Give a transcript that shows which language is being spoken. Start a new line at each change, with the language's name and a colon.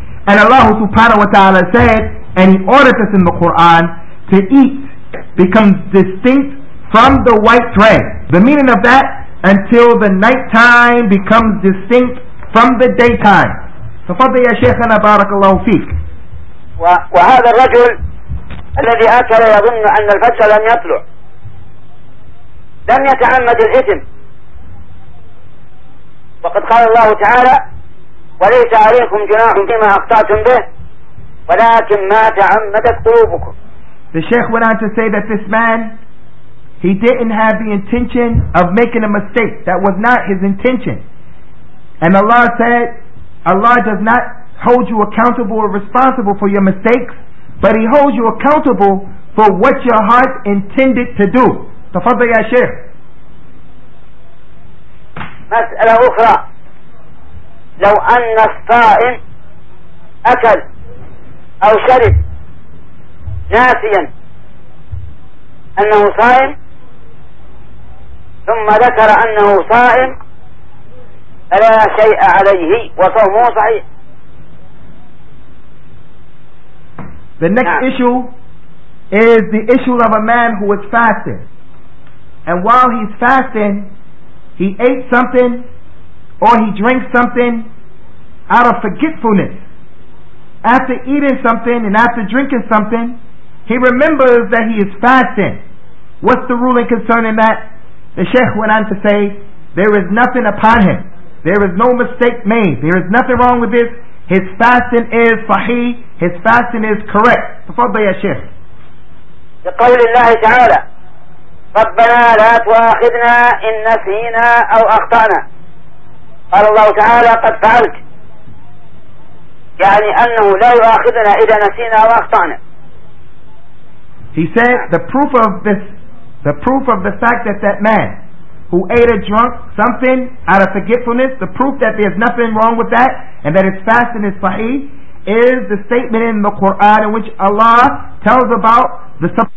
English: And Allah subhanahu wa ta'ala said, and he ordered us in the Quran, to eat becomes distinct from the white thread. The meaning of that, until the night time becomes distinct from the daytime.
Arabic: Tafadhal ya Shaykhana, barakallahu feek. وهذا الرجل الذي أكل يظن أن الفجر لم يطلع لم يتعمد الإثم، وقد قال الله تعالى: وليس عليكم جناح فيما أخطأتم به ولكن ما تعمدت قلوبكم.
English: The Sheikh went on to say that this man, he didn't have the intention of making a mistake. That was not his intention. And Allah said, Allah does not hold you accountable or responsible for your mistakes, but he holds you accountable for what your heart intended to do.
Arabic: Tafadhal ya Sheikh. مسألة أخرى: لو أن الصائم أكل أو شرب ناسيا أنه صائم ثم ذكر أنه صائم فلا شيء عليه وصومه صحيح.
English: The next issue is the issue of a man who is fasting, and while he's fasting he ate something or he drank something out of forgetfulness. After eating something and after drinking something, he remembers that he is fasting. What's the ruling concerning that? The Sheikh went on to say, there is nothing upon him. There is no mistake made. There is nothing wrong with this. His fasting is sahih. His fasting is correct.
Arabic: Tafadda ya Sheikh. لقول الله تعالى ربنا لا تؤاخذنا إن نسينا أو أخطأنا. قال الله تعالى قد فعلت, يعني أنه لا يؤاخذنا إذا نسينا أو أخطأنا.
English: He said the proof of this, the proof of the fact that that man who ate or drunk something out of forgetfulness, the proof that there's nothing wrong with that and that his fasting is sahih, is the statement in the Quran in which Allah tells about the